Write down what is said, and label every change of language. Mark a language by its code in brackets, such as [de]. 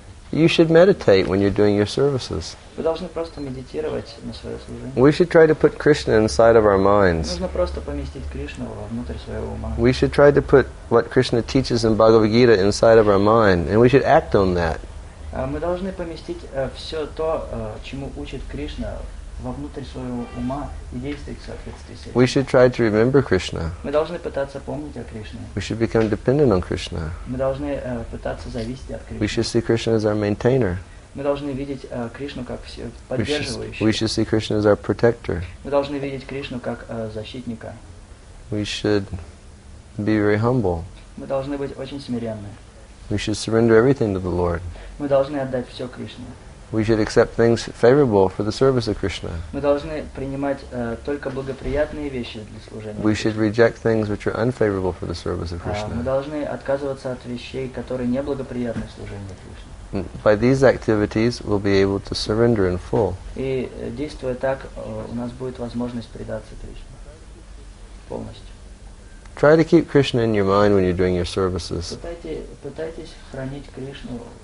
[en] You should meditate when you're doing your services. [ru] Вы должны просто медитировать на своё служение. [en] We should try to put Krishna inside of our minds. [ru] Нужно просто поместить Кришну внутрь своего ума. [en] We should try to put what Krishna teaches in Bhagavad Gita inside of our mind, and we should act on that. [ru] Мы должны поместить всё то, чему учит Кришна, вовнутрь своего ума и действовать в соответствии с этим. [en] We should try to remember Krishna. [ru] Мы должны пытаться помнить о Кришне. [en] We should become dependent on Krishna. [ru] Мы должны пытаться зависеть от Кришны. [en] We should see Krishna as our maintainer. [ru] Мы должны видеть Кришну как поддерживающего. [en] We should see Krishna as our protector. [ru] Мы должны видеть Кришну как защитника. [en] We should be very humble. [ru] Мы должны быть очень смиренны. [en] We should surrender everything to the Lord. [ru] Мы должны отдать все Кришне. [en] We should accept things favorable for the service of Krishna. [ru] Мы должны принимать только благоприятные вещи для служения. [en] We should reject things which are unfavorable for the service of Krishna. [ru] Мы должны отказываться от вещей, которые неблагоприятны служению Кришне. [en] By these activities, we'll be able to surrender in full. [ru] И действуя так, у нас будет возможность предаться Кришне полностью. [en] Try to keep Krishna in your mind when you're doing your services. [ru] Пытайтесь хранить Кришну.